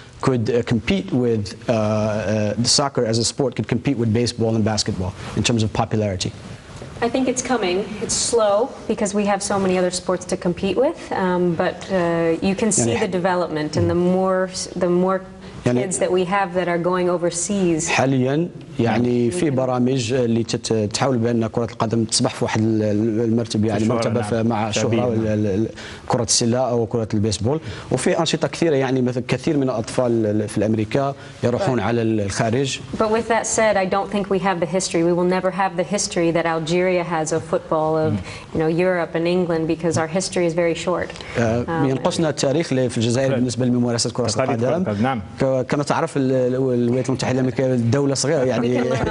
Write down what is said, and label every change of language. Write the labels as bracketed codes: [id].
[en] could compete with the soccer as a sport could compete with baseball and basketball in terms of popularity? I think it's coming. It's slow because we have so many other sports to compete with, but you can see the development and the more [ar] يعني [en] kids that we have that are going overseas. [ar] حاليا يعني في برامج اللي تحاول بان كرة القدم تصبح في واحد المرتبة يعني مرتبة نعم مع شهرة كرة السلة او كرة البيسبول وفي انشطة كثيرة يعني مثل كثير من الاطفال في الامريكا يروحون على الخارج. [en] But with that said, I don't think we have the history. We will never have the history that Algeria has of football, of you know, Europe and England because our history is very short. [ar] ينقصنا التاريخ في الجزائر بالنسبة لممارسة كرة القدم. نعم كما تعرف الولايات المتحدة الأمريكية دولة صغيرة يعني